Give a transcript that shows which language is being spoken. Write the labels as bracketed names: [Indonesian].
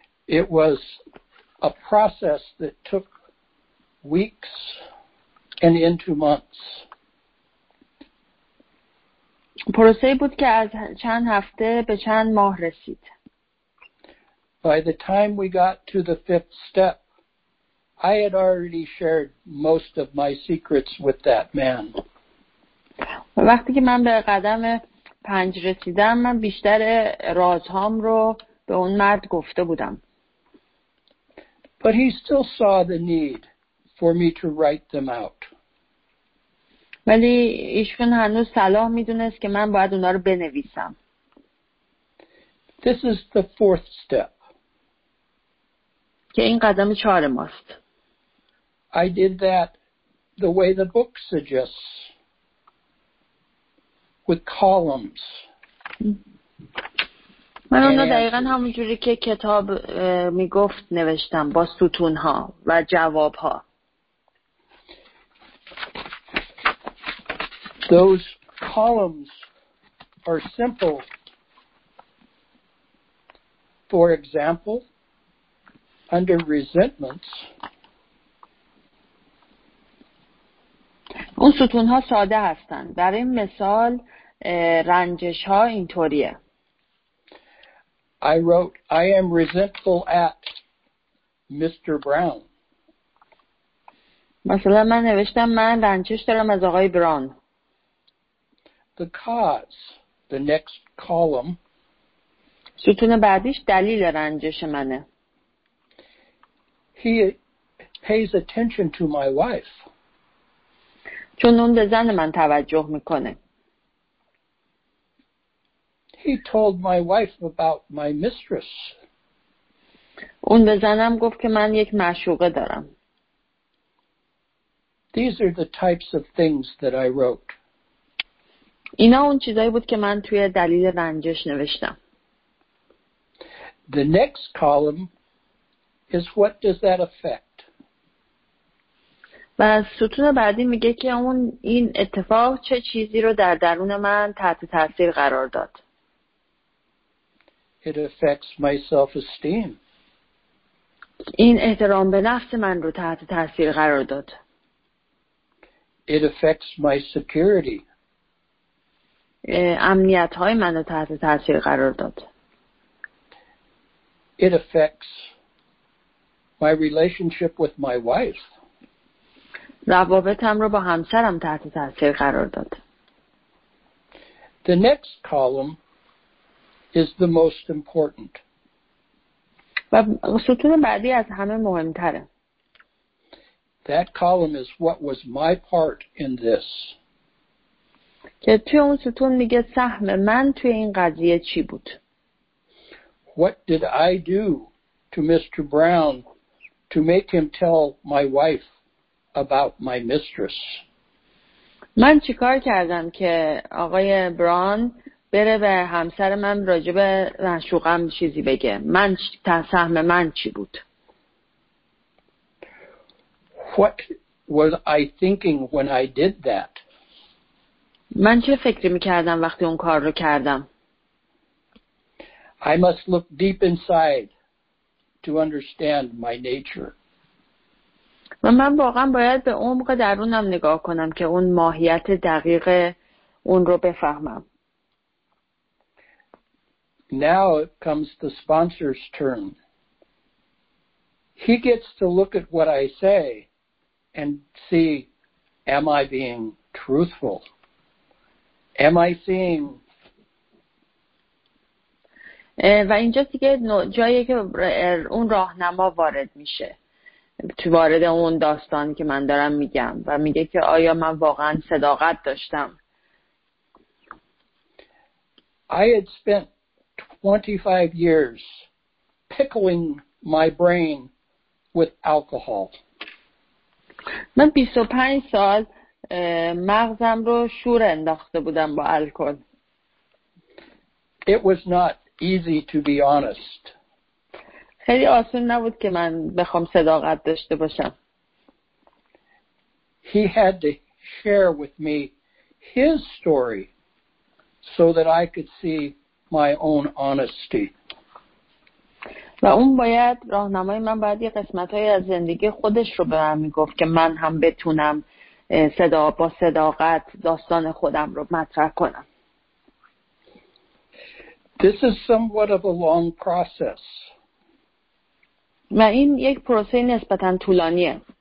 [English] It was a process that took weeks and into months. [Persian] پروسه بود که از چند هفته به چند ماه رسید. [English] By the time we got to the fifth step, I had already shared most of my secrets with that man. [Persian] وقتی که من به قدم 5 رسیدم، من بیشتر رازهام رو به اون مرد گفته بودم. [English] But he still saw the need for me to write them out. [Persian] ولی ایشون هنوز صلاح میدونست که من باید اونا رو بنویسم. [English] This is the fourth step. [Persian] که این قدم چهار ماست. [English] I did that the way the book suggests, with columns. [Persian] من اونا دقیقا همون جوری که کتاب میگفت نوشتم با ستون ها و جواب ها. [English] Those columns are simple. For example, under resentments. [Persian] اون ستون ها ساده هستن. در این مثال رنجش ها اینطوریه. [English] I wrote, I am resentful at Mr. Brown. [Persian] مثلا من نوشتم من رنجش دارم از آقای براون. [English] The cause, the next column. [Persian] ستون بعدیش دلیل رنجش منه. [English] He pays attention to my wife. [Persian] چون اون به زن من توجه میکنه. [English] He told my wife about my mistress. [Persian] اون به زنم گفت که من یک معشوقه دارم. [English] These are the types of things that I wrote. [Persian] اینا اون چیزایی بود که من توی دلیل رنجش نوشتم. [English] The next column is what does that affect? [Persian] و ستون بعدی میگه که اون این اتفاق چه چیزی رو در درون من تحت تاثیر قرار داد. [English] It affects my self-esteem. [Persian] این احترام به نفس من رو تحت تاثیر قرار داد. [English] It affects my security. [Persian] امنیت های منو تحت تاثیر قرار داد. [English] It affects my relationship with my wife. [Persian] روابطم رو با همسرم تحت تاثیر قرار داد. [English] The next column is the most important. [Persian] و ستون بعدی از همه مهمتره. [English] That column is what was my part in this. [Persian] که توی اون ستون میگه سهم من توی این قضیه چی بود. [English] What did I do to Mr. Brown to make him tell my wife about my mistress? [Persian] من چی کار کردم که آقای بران بره به همسر من راجب معشوقم چیزی بگه؟ من سهم من چی بود؟ [English] What was I thinking when I did that? [Persian] من چه فکری میکردم وقتی اون کار رو کردم؟ [English] I must look deep inside to understand my nature. [Persian] و من واقعا باید به عمق درونم نگاه کنم که اون ماهیت دقیق اون رو بفهمم. [English] Now comes the sponsor's turn. He gets to look at what I say and see, am I being truthful? Am I seeing? [Persian] و اینجا دیگه جایی که اون راهنما وارد میشه. تو وارد اون داستان که من دارم میگم و میگه که آیا من واقعا صداقت داشتم. [English] I had spent 25 years pickling my brain with alcohol. [Persian] من 25 سال مغزم رو شور انداخته بودم با الکل. [English] It was not easy to be honest. [Persian] خیلی آسون نبود که من بخوام صداقت داشته باشم. [English] He had to share with me his story so that I could see my own honesty. [Persian] و اون باید راهنمای من باید یه قسمتهایی از زندگی خودش رو به من میگفت که من هم بتونم با صداقت داستان خودم رو مطرح کنم. [English] This is somewhat of a long process. [Persian] و این یک پروسه نسبتاً طولانیه.